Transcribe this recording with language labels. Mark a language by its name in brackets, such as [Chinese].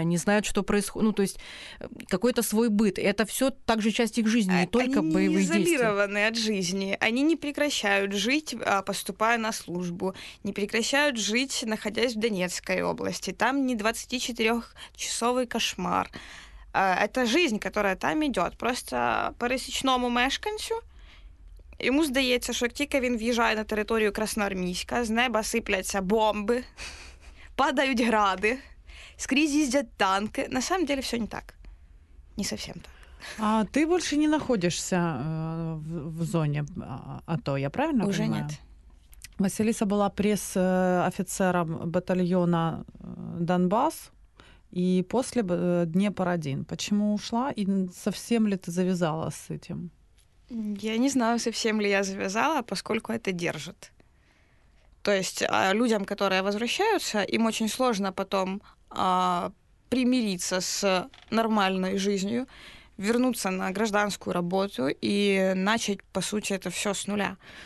[Russian] Они знают, что происходит, ну, то есть какой-то свой быт. Это все также часть их жизни, не только они боевые действия. Они не изолированы от жизни, они не прекращают жить, поступая на службу, не прекращают жить, находясь в Донецкой области. Там не 24-часовый кошмар. Это жизнь, которая там идет. [Ukrainian] Просто по пересічному мешканцю йому здається, що як тільки він в'їжджає на територію Красноармійська, з неба сипляться бомби, падають гради, скрізь їздять танки. [Russian] На самом деле все не так. Не совсем так. [Ukrainian] А ти більше не знаходишся в зоні АТО, я правильно [Russian] Уже понимаю? [Ukrainian] Уже ні. Василіса була пресс-офіцером батальйону «Донбас». [Russian] И после Днепр-1, почему ушла? И совсем ли ты завязала с этим? Я не знаю, совсем ли я завязала, поскольку это держит. То есть людям, которые возвращаются, им очень сложно потом примириться с нормальной жизнью, вернуться на гражданскую работу и начать, по сути, это все с нуля.